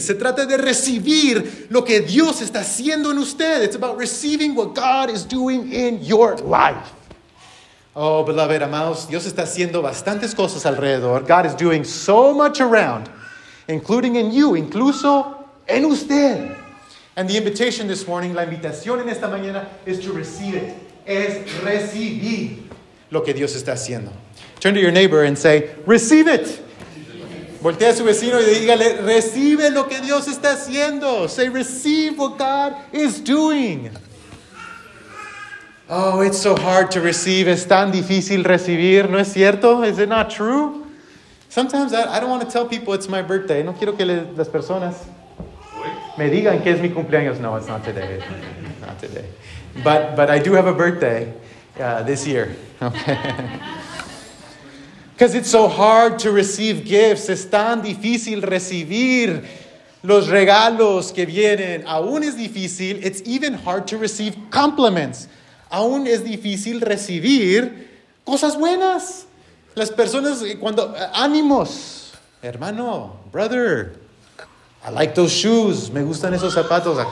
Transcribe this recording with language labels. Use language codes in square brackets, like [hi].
[es] Se trata de recibir lo que Dios está haciendo en usted. [en] It's about receiving what God is doing in your life. Oh, beloved, [es] amados, Dios está haciendo bastantes cosas alrededor. [en] God is doing so much around, including in you, [es] incluso en usted. [en] And the invitation this morning, [es] la invitación en esta mañana, [en] is to receive it. [es] Es recibir lo que Dios está haciendo. [en] Turn to your neighbor and say, receive it. [es] Voltea a su vecino y dígale, recibe lo que Dios está haciendo. [en] Say, receive what God is doing. Oh, it's so hard to receive. [es] Es tan difícil recibir, ¿no es cierto? [en] Is it not true? Sometimes I don't want to tell people it's my birthday. [es] No quiero que las personas me digan que es mi cumpleaños. [en] No, it's not today. Not today. But I do have a birthday this year. Because it's so hard to receive gifts. [es] Es tan difícil recibir los regalos que vienen. Aún es difícil. [en] It's even hard to receive compliments. [es] Aún es difícil recibir cosas buenas. Las personas, cuando, ánimos, hermano, [en] brother, I like those shoes, [es] me gustan esos zapatos.